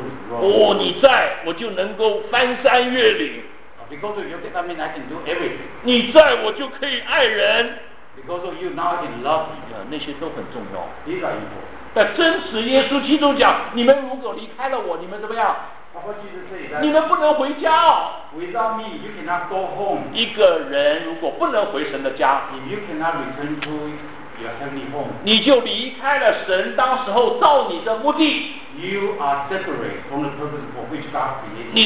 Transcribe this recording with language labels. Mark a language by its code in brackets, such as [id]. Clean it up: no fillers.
[zh] 哦，你在我就能够翻山越岭。 [en] Because of you, I mean, I can do everything. [zh] 你在我就可以爱人。 [en] Because of you, now I can love you. [zh] 那些都很重要。 [en] These are important. [zh] 但真实耶稣基督讲，你们如果离开了我，你们怎么样？你们不能回家。 [en] Without me, you cannot go home. [zh] 一个人如果不能回神的家， [en] if you cannot return to your heavenly home, [zh] 你就离开了神当时候造你的目的。 [en] You are separate from the purpose for which God created.